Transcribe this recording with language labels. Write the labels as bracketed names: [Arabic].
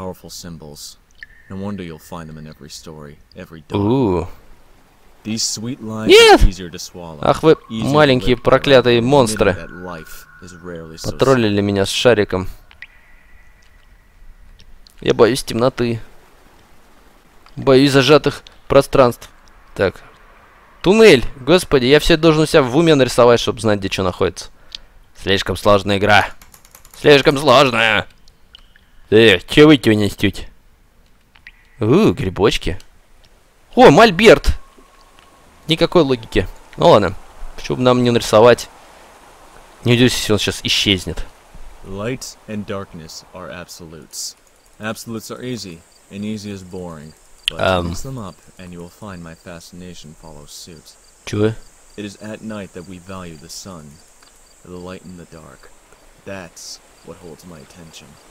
[English] Symbols. No wonder you'll find them in every story, every dawn. [Russian] Нет! Ах вы маленькие проклятые монстры. Потроллили меня с шариком. Я боюсь темноты. Боюсь зажатых пространств. Так. Туннель. Господи, я все должен у себя в уме нарисовать, чтобы знать, где что находится. Слишком сложная игра. Слишком сложная. Че вы тебе нестить? Грибочки. О, мольберт. Никакой логики. Ну ладно. Чтобы нам не нарисовать. Не удивлюсь, если он сейчас исчезнет. [English] Light and darkness are absolutes. Absolutes are easy, and easy is boring. But mix them up, and you will find my fascination follows suit. [Russian] Чего? [English] It is at night that we value the sun, the light in the dark. That's what holds my attention.